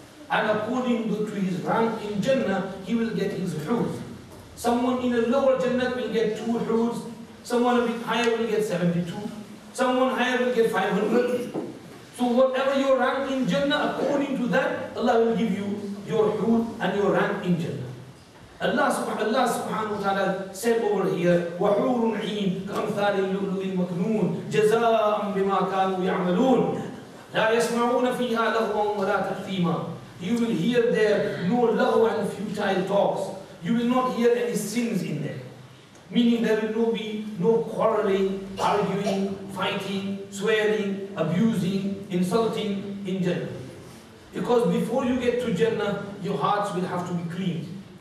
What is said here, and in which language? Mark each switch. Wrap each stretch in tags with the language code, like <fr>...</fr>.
<en>And according to his rank in Jannah, he will get his fruits. Someone in a lower Jannah will get 2 hurus, someone a bit higher will get 72, someone higher will get 500. So whatever your rank in Jannah, according to that, Allah will give you your hurus and your rank in Jannah.</en> <ar>Allah subhanahu wa ta'ala said over here, وَحُورٌ عِينٌ كَأَمْثَالِ اللُّؤْلُؤِ الْمَكْنُونِ جَزَاءً بِمَا كَانُوا يَعْمَلُونَ لَا يَسْمَعُونَ فِيهَا لَغْوًا وَلَا تَأْثِيمًا.</ar> <en>You will hear there no law and futile talks. You will not hear any sins in there. Meaning there will no quarreling, arguing, fighting, swearing, abusing, insulting in Jannah. Because before you get to Jannah, your hearts will have to be cleaned.</en>